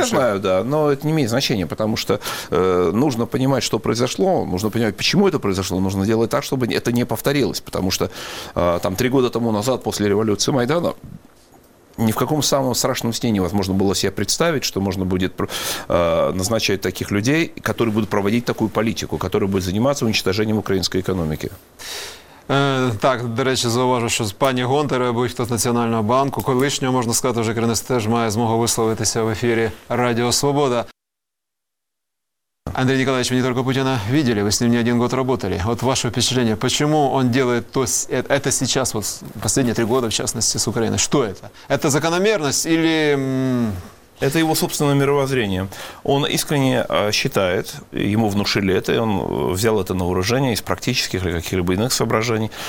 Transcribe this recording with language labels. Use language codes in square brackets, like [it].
[ru] Я знаю, да, но это не имеет значения, потому что нужно понимать, что произошло, нужно понимать, почему это произошло, нужно делать так, чтобы это не повторилось, потому что там 3 года тому назад, после революции Майдана, ни в каком самом страшном сне невозможно было себе представить, что можно будет назначать таких людей, которые будут проводить такую политику, которые будут заниматься уничтожением украинской экономики. [uk] Так, до речі, зауважу, що пані Гонтарева, будь-хто з Національного банку, колишнього, можна сказати, вже керівництво теж має змогу висловитися в ефірі Радіо Свобода. [ru] Андрей Николаевич, вы не только Путина видели, вы с ним не один год работали. Вот ваше впечатление, почему он делает то, это сейчас, вот последние 3 года, в частности, с Украиной? Что это? Это закономерность или... Это его собственное мировоззрение. Он искренне считает, ему внушили это, и он взял это на вооружение из практических или каких-либо иных соображений.